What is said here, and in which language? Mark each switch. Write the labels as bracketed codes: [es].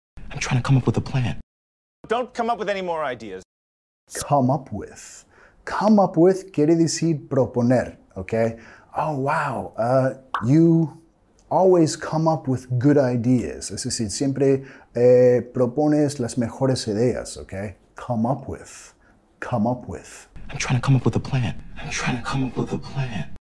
[en] I'm trying to come up with a plan. Don't come up with any more ideas. Come up with. Come up with [es] quiere decir proponer, [en] okay? Oh, wow, you always come up with good ideas. [es] Es decir, siempre propones las mejores ideas, okay? [en] Come up with. Come up with. I'm trying to come up with a plan. I'm trying to come up with a plan.